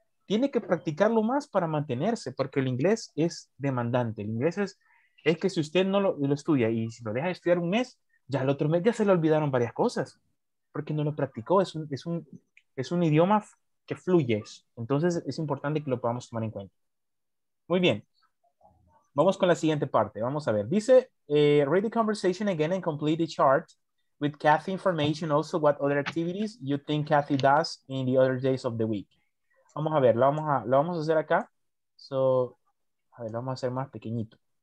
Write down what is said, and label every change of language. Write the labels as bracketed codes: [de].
[es] tiene que practicarlo más para mantenerse, porque el inglés es demandante. El inglés es que si usted no lo estudia y si lo deja de estudiar un mes, ya el otro mes ya se le olvidaron varias cosas, porque no lo practicó. Es un idioma que fluye. Entonces es importante que lo podamos tomar en cuenta. Muy bien. Vamos con la siguiente parte. Vamos a ver. Dice, [en] read the conversation again and complete the chart with Kathy's information, also what other activities you think Kathy does in the other days of the week. [es] Vamos a ver, lo vamos a hacer acá. So, a ver, lo vamos a hacer más pequeñito.